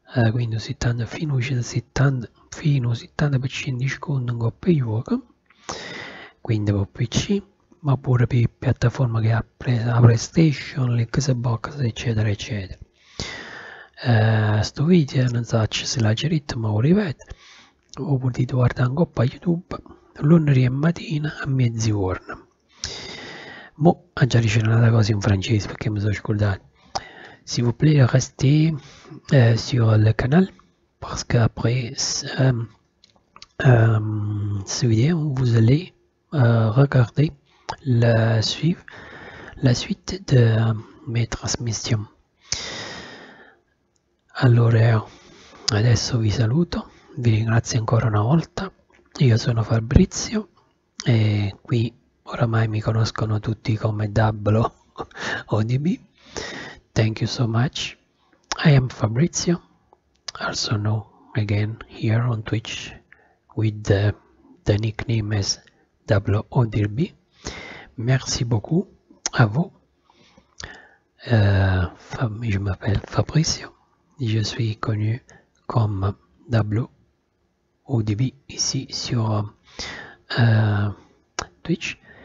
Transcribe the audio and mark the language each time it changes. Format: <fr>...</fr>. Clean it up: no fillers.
<it>Quindi 70, fino a 70, fino a 70% di sconto in coppa yoga, quindi per PC, ma pure per piattaforma che ha preso la PlayStation, l'Xbox, eccetera, eccetera. Sto video non so se l'ha girato, ma lo ripeto, ho potuto guardare in coppa YouTube lunedì mattina a mezzogiorno. Mo, ha già ricevuto una cosa in francese perché mi sono scordato.</it> <fr>S'il vous plaît, restez sur le canal parce qu'après ce vidéo, vous allez regarder la suite de mes transmissions. Alors,</fr> <it>Adesso vi saluto, vi ringrazio ancora una volta. Io sono Fabrizio e qui oramai mi conoscono tutti come Dablo ODB.</it> <en>Thank you so much. I am Fabrizio, also known again here on Twitch with the nickname as Dablo ODB.</en> <fr>Merci beaucoup à vous. Je m'appelle Fabrizio, je suis connu comme Dablo ODB ici sur Twitch.</fr>